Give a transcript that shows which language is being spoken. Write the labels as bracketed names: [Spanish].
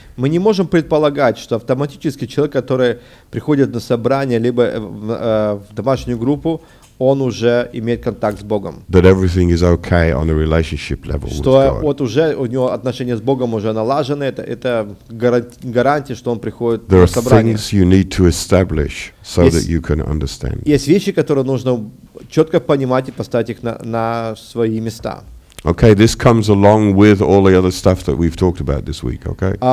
[Russian] Мы не можем предполагать, что автоматически человек, который приходит на собрание либо в домашнюю группу, он уже имеет контакт с Богом. [English] That everything is okay on a relationship level [Russian] что [English] with God. [Russian] Что вот уже у него отношения с Богом уже налажены, это гарантия, что он приходит [English] There [Russian] на собрание. [English] There are things you need to establish so that you can understand. [Russian] Есть вещи, которые нужно четко понимать и поставить их на свои места. [English] Okay, this comes along with all the other stuff that we've talked about this week, okay?